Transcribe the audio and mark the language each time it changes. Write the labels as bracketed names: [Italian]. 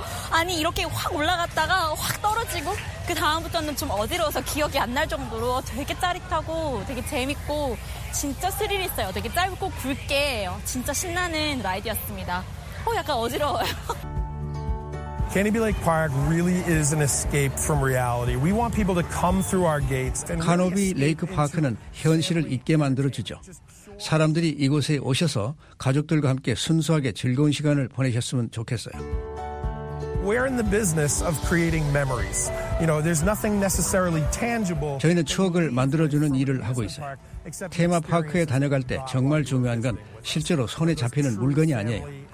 [Korean] 많이 이렇게 확 올라갔다가 확 떨어지고 그 다음부터는 좀 어지러워서 기억이 안 날 정도로 되게 짜릿하고 되게 재밌고 진짜 스릴 있어요. 되게 짧고 굵게 진짜 신나는 라이드였습니다. 약간 어지러워요. [English] Canopy Lake Park really is an escape from reality. We want people to come through our gates. [Korean] 카노비 레이크 파크는 현실을 잊게 만들어 주죠. 사람들이 이곳에 오셔서 가족들과 함께 순수하게 즐거운 시간을 보내셨으면 좋겠어요. [English] We're in the business of creating memories. You know, there's nothing necessarily tangible. [Korean] 저희는 추억을 만들어 주는 일을 하고 있어요. 테마파크에 다녀갈 때 정말 중요한 건 실제로 손에 잡히는 물건이 아니에요.